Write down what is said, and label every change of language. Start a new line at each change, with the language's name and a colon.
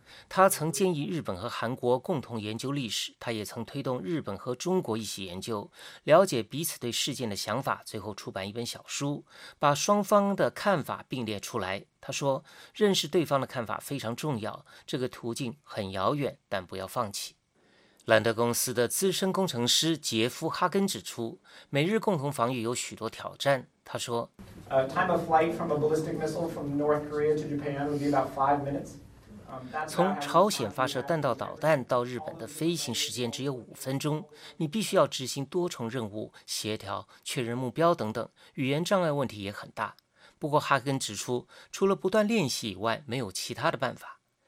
Chinese: 他曾建议日本和韩国共同研究历史，他也曾推动日本和中国一起研究，了解彼此对事件的想法，最后出版一本小书，把双方的看法并列出来。他说，认识对方的看法非常重要，这个途径很遥远，但不要放弃。兰德公司的资深工程师杰夫·哈根指出，美日共同防御有许多挑战。他说，
English: Time of flight from a ballistic missile from North Korea to Japan would be about 5 minutes.
Chinese: 从朝鲜发射弹道导弹到日本的飞行时间只有5分钟，你必须要执行多重任务，协调确认目标等等，语言障碍问题也很大。不过哈根指出，除了不断练习以外，没有其他的办法。